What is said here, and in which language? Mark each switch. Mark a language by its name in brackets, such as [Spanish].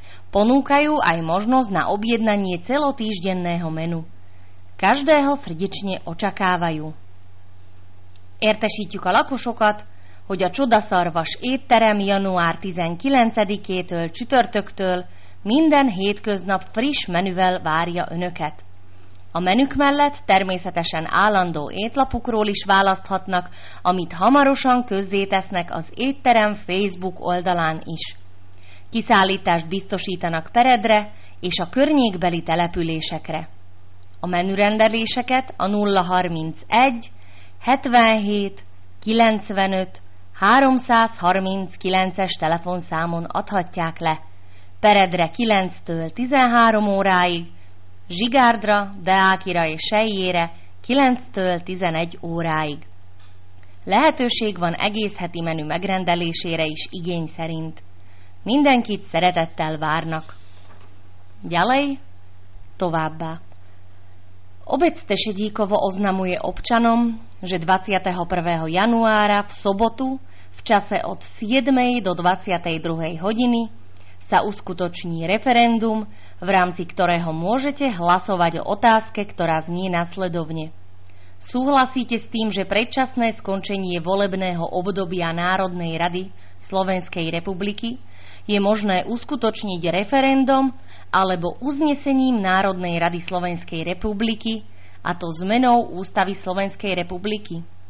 [Slovak] Ponúkajú aj možnosť na objednanie celotýždenného menu. Každého srdečne očakávajú. [Hungarian] Értesítjük a lakosokat, hogy a csodaszarvas étterem január 19-től csütörtöktől minden hétköznap friss menüvel várja önöket. A menük mellett természetesen állandó étlapukról is választhatnak, amit hamarosan közzétesznek az étterem Facebook oldalán is. Kiszállítást biztosítanak Peredre és a környékbeli településekre. A menürendeléseket a 031 77 95 339-es telefonszámon adhatják le. Peredre 9-től 13 óráig, Zsigárdra, Deákira és Sejjére 9-től 11 óráig. Lehetőség van egész heti menü megrendelésére is igény szerint. Mindenkit szeretettel várnak. Gyalej, továbbá. [Slovak] Obec Tešedíkovo oznamuje občanom, že 21. januára v sobotu v čase od 7. do 22. hodiny sa uskutoční referendum, v rámci ktorého môžete hlasovať o otázke, ktorá znie nasledovne. Súhlasíte s tým, že predčasné skončenie volebného obdobia Národnej rady Slovenskej republiky je možné uskutočniť referendum alebo uznesením Národnej rady Slovenskej republiky, a to zmenou Ústavy Slovenskej republiky.